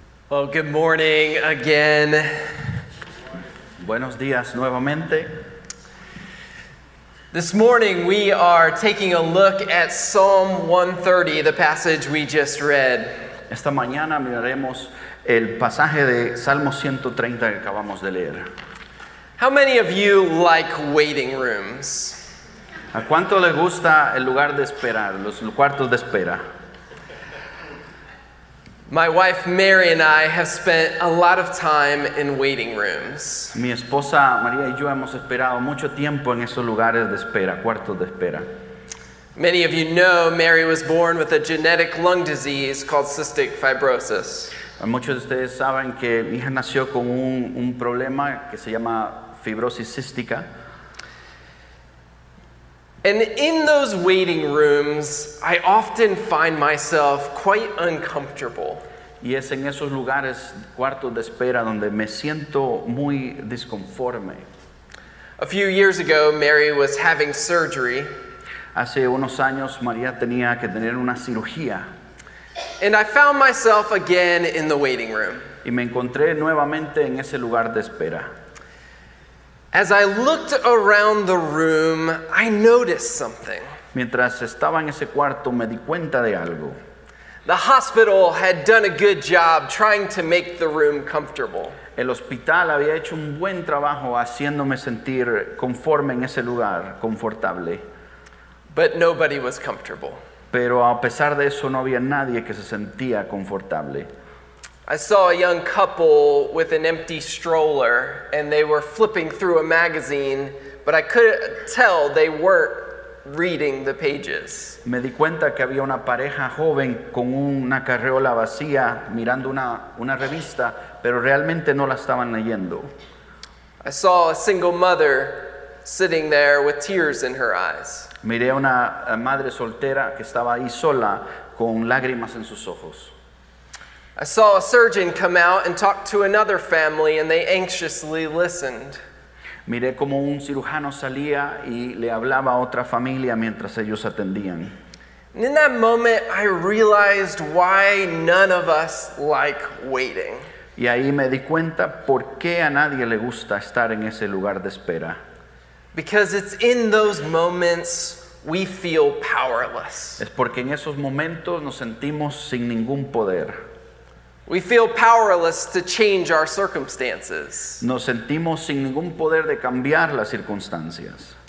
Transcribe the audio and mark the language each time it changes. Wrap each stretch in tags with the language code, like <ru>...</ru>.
<en>Well, good morning again.</en> <es>Buenos días nuevamente.</es> <en>This morning we are taking a look at Psalm 130, the passage we just read.</en> <es>Esta mañana miraremos el pasaje de Salmo 130 que acabamos de leer.</es> <en>How many of you like waiting rooms?</en> <es>¿A cuánto le gusta el lugar de esperar, los cuartos de espera?</es> <en>My wife Mary and I have spent a lot of time in waiting rooms.</en> <es>Mi esposa María y yo hemos esperado mucho tiempo en esos lugares de espera, cuartos de espera.</es> <en>Many of you know Mary was born with a genetic lung disease called cystic fibrosis.</en> <es>Muchos de ustedes saben que mi hija nació con un problema que se llama fibrosis cística.</es> <en>And in those waiting rooms, I often find myself quite uncomfortable.</en> <es>Y es en esos lugares, cuartos de espera, donde me siento muy disconforme.</es> <en>A few years ago, Mary was having surgery.</en> <es>Hace unos años, María tenía que tener una cirugía.</es> <en>And I found myself again in the waiting room.</en> <es>Y me encontré nuevamente en ese lugar de espera.</es> <en>As I looked around the room, I noticed something.</en> <es>Mientras estaba en ese cuarto, me di cuenta de algo.</es> <en>The hospital had done a good job trying to make the room comfortable.</en> <es>El hospital había hecho un buen trabajo haciéndome sentir conforme en ese lugar, confortable.</es> <en>But nobody was comfortable.</en> <es>Pero a pesar de eso, no había nadie que se sentía confortable.</es> <en>I saw a young couple with an empty stroller, and they were flipping through a magazine, but I couldn't tell they weren't reading the pages.</en> <es>Me di cuenta que había una pareja joven con una carriola vacía mirando una revista, pero realmente no la estaban leyendo.</es> <en>I saw a single mother sitting there with tears in her eyes.</en> <es>Miré a una madre soltera que estaba ahí sola con lágrimas en sus ojos.</es> <en>I saw a surgeon come out and talk to another family, and they anxiously listened.</en> <es>Miré como un cirujano salía y le hablaba a otra familia mientras ellos atendían.</es> <en>And in that moment, I realized why none of us like waiting.</en> <es>Y ahí me di cuenta por qué a nadie le gusta estar en ese lugar de espera.</es> <en>Because it's in those moments we feel powerless.</en> <es>Es porque en esos momentos nos sentimos sin ningún poder.</es> <en>We feel powerless to change our circumstances.</en> <es>Nos sentimos sin ningún poder de cambiar las circunstancias.</es>